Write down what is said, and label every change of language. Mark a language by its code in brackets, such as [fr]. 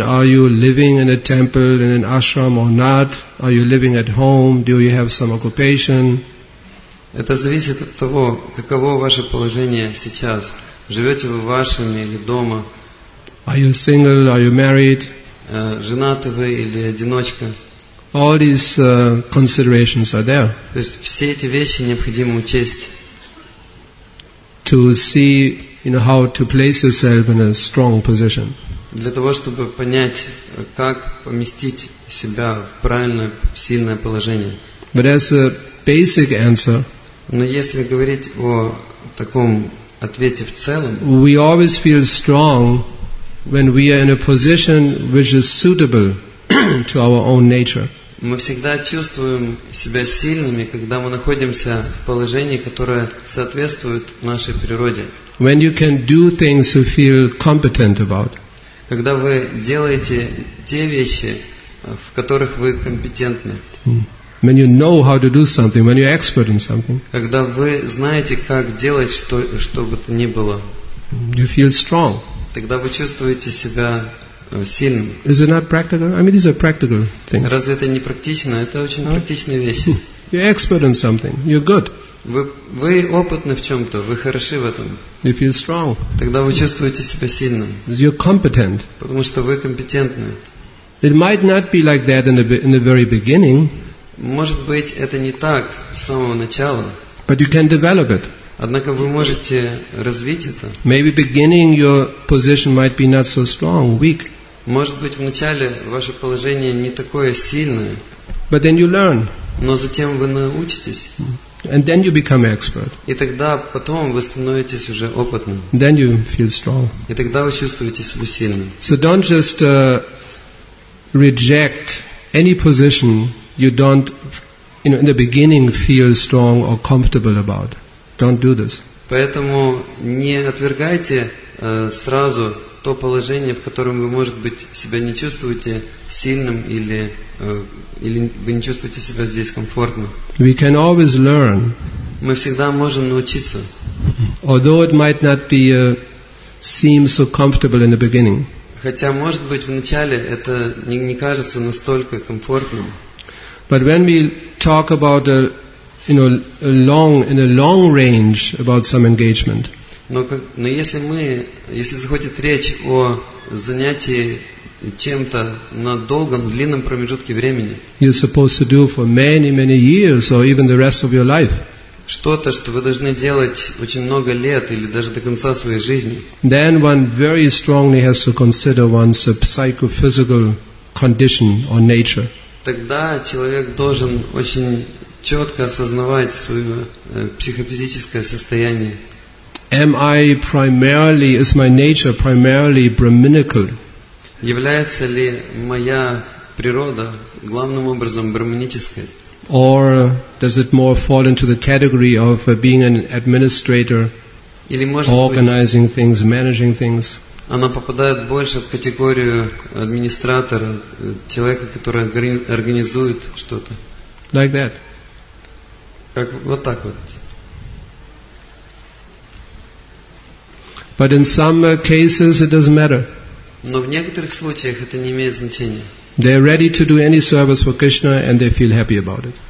[en] Are you living in a temple, in an ashram or not? Are you living at home? Do you have some occupation? [ru] Это зависит от того, каково ваше положение сейчас. Живете вы в вашем или дома? [en] Are you single? Are you married? [ru] Женаты вы или одиночка? [en] All these considerations are there. [ru] То есть все эти вещи необходимо учесть. [en] To see, you know, how to place yourself in a strong position. [ru] Для того, чтобы понять, как поместить себя в правильное, сильное положение. [en] But as a basic answer. [ru] Но если говорить о таком ответе в целом, [en] we always feel strong when we are in a position which is suitable to our own nature. [ru] Мы всегда чувствуем себя сильными, когда мы находимся в положении, которое соответствует нашей природе. [en] When you can do things you feel competent about. [ru] Когда вы делаете те вещи, в которых вы компетентны. [en] When you know how to do something, when you're expert in something. [ru] Когда вы знаете, как делать что, что бы то ни было. [en] You feel strong. [ru] Тогда вы чувствуете себя сильным. [en] Is it not practical? I mean, these are practical things. [ru] Разве это не практично? Это очень практичные вещи. [en] You're expert in something. You're good. [ru] Вы опытны в чем-то. Вы хороши в этом. [en] You feel strong. [ru] Тогда вы чувствуете себя сильным. [en] You're competent. [ru] Потому что вы компетентны. [en] It might not be like that in the very beginning. [ru] Может быть, это не так с самого начала. [en] But you can develop it. [ru] Однако вы можете развить это. [en] Maybe beginning your position might be not so strong, weak. [ru] Может быть, в начале ваше положение не такое сильное. [en] But then you learn. [ru] Но затем вы научитесь. [en] And then you become expert. [ru] И тогда потом вы становитесь уже опытным. [en] Then you feel strong. [ru] И тогда вы чувствуете себя сильным. [en] So don't just reject any position you don't, you know, in the beginning feel strong or comfortable about. Don't do this. [ru] Поэтому не отвергайте сразу то положение, в котором вы, может быть, себя не чувствуете сильным или или вы не чувствуете себя здесь комфортно. [en] We can always learn. [ru] Мы всегда можем научиться. [en] Although it might not be seem so comfortable in the beginning. [ru] Хотя, может быть, в начале это не кажется настолько комфортным. [en] But when we talk about a, you know, a long, in a long range about some engagement. [ru] Но если мы, если заходит речь о занятии чем-то на долгом, длинном промежутке времени. [en] You're supposed to do for many, many years, or even the rest of your life. [ru] Что-то, что вы должны делать очень много лет или даже до конца своей жизни. [en] Then one very strongly has to consider one's psychophysical condition or nature. [ru] Тогда человек должен очень четко осознавать свое психофизическое состояние. [en] Am I primarily, is my nature primarily brahminical? [ru] Является ли моя природа главным образом брахманической? [en] Or does it more fall into the category of being an administrator, [ru] или, может, [en] organizing [ru] быть, [en] things, managing things? [ru] Она попадает больше в категорию администратора, человека, который организует что-то. [en] Like that. [ru] Как, вот так вот. [en] But in some cases it doesn't matter. [ru] Но в некоторых случаях это не имеет значения. [en] They are ready to do any service for Krishna and they feel happy about it.